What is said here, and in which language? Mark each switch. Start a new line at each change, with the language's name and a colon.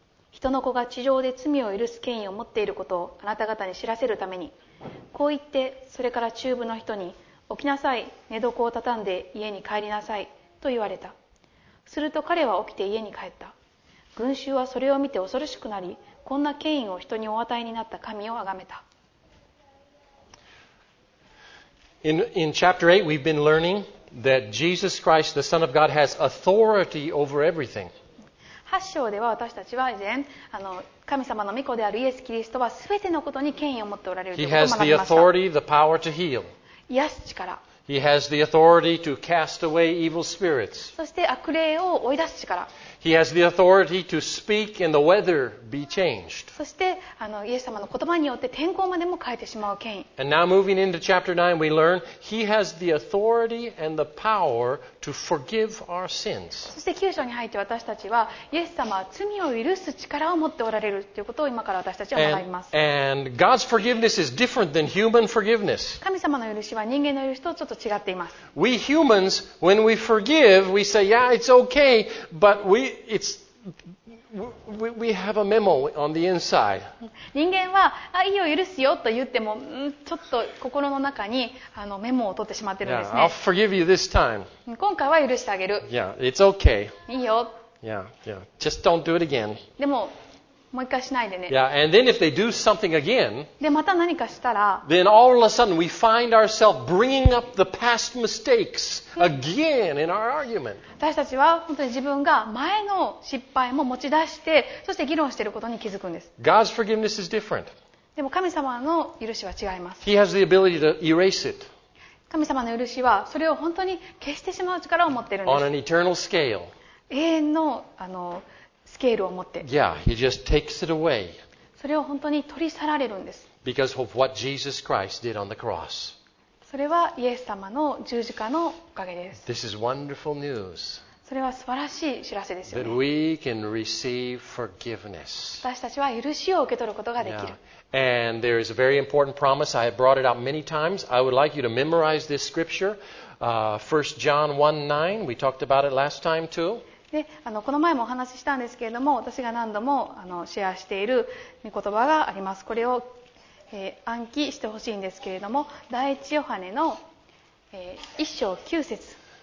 Japanese: 人の子が地上で罪を許す権威を持っていることをあなた方に知らせるために、こう言って、それから中部の人に、起きなさい、寝床を畳んで家に帰りなさいと言われた。すると彼は起きて家に帰った。群衆はそれを見て恐ろしくなり、こんな権威を人にお与えになった神を崇めた。
English: In chapter 8 we've been learning that Jesus Christ the Son of God has authority over everything.
Japanese: 8章では私たちは以前、あの、神様の御子であるイエス・キリストは全てのことに権威を持っておられるということを学びました。
English: He has the authority, the power to heal.
Japanese: 癒す力。
English: He has the authority to cast away evil spirits.
Japanese: そして悪霊を追い出す力。
English: He has the authority to speak and the weather be changed.
Japanese: そして、あの、イエス様の言葉によって天候までも変えてしまう権威。
English: And now moving into chapter 9, we learn he has the authority and the power to forgive our sins.
Japanese: そして9章に入って私たちは、イエス様は罪を許す力を持っておられるということを今から私たちは学びます。
English: And God's forgiveness is different than human forgiveness.
Japanese: 神様の許しは人間の許しとちょっと違っています。
English: We humans, when we forgive, we say, yeah, it's okay, but we... We have a memo on the inside.
Japanese: 人間は、あ、いいよ許すよと言っても、ちょっと心の中に、あの、メモを取ってしまってるんですね。
English: Yeah, I'll forgive you this time.
Japanese: 今回は許してあげる。
English: Yeah, it's okay.
Japanese: いいよ。
English: Yeah, yeah. Just don't do it again.
Japanese: でも、もう一回しないでね。
English: Yeah, and then if they do something again,
Japanese: で、また何かしたら、
English: then all of a sudden we find ourselves bringing up the past mistakes again in our argument.
Japanese: 私たちは本当に自分が前の失敗も持ち出して、そして議論していることに気づくんです。
English: God's forgiveness is different.
Japanese: でも神様の許しは違います。
English: He has the ability to erase it.
Japanese: 神様の許しはそれを本当に消してしまう力を持っているんです。
English: On an eternal scale.
Japanese: 永遠の、あの、スケールを持って。
English: Yeah, he just takes it away.
Japanese: それを本当に取り去られるんです。
English: Because of what Jesus Christ did on the cross.
Japanese: それはイエス様の十字架のおかげです。
English: This is wonderful news.
Japanese: それは素晴らしい知らせですよね。
English: That we can receive forgiveness.
Japanese: 私たちは許しを受け取ることができる。 Yeah.
English: And there is a very important promise. I have brought it out many times. I would like you to memorize this scripture. 1 John 1:9. We talked about it last time too.
Japanese: で、あの、この前もお話ししたんですけれども、私が何度も、あの、シェアしている御言葉があります。これを、暗記してほしいんですけれども、第一ヨハネの、1章9節。